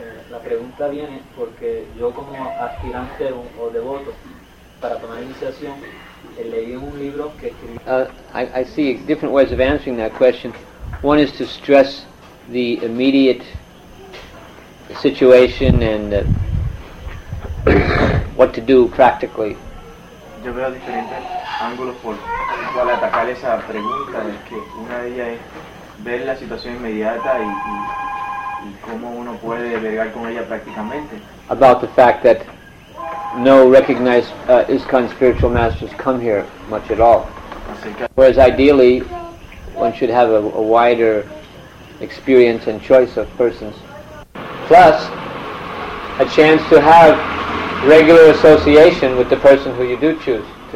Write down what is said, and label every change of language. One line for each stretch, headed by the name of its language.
Spanish: La pregunta viene porque yo como aspirante o devoto para tomar iniciación leí un libro que
English: I see different ways of answering that question. One is to stress the immediate situation and what to do practically.
Spanish: Yo veo diferentes ángulos por cuál atacar esa pregunta, es que una de ellas es ver la situación inmediata y cómo uno puede vergar con ella prácticamente.
English: About the fact that no recognized ISKCON spiritual masters come here much at all. Whereas ideally, one should have a wider experience and choice of persons. Plus, a chance to have regular association with the person who you do choose.